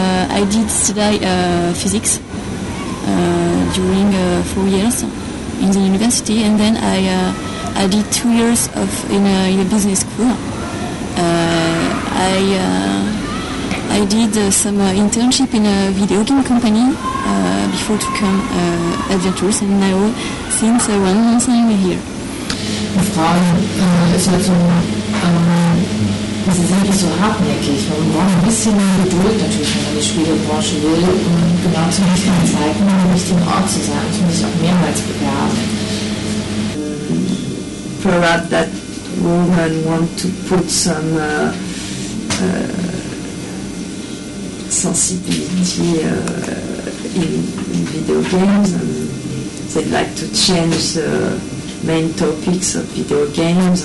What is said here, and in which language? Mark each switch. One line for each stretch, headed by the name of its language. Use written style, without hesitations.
English: I did study physics during 4 years in the university, and then I did 2 years of in a business school. I did some internship in a video game company before to come Adventures, and now since 1 month I'm here.
German: Die Frage ist halt so, sie sind nicht so hartnäckig. Man braucht ein bisschen Geduld natürlich, wenn man die Spielebranche will, um genau zum richtigen Zeitpunkt am richtigen Ort zu sein. Das muss ich auch mehrmals bewerben.
English: Perhaps that woman want to put some sensibility in video games, and they'd like to change the main topics of video games.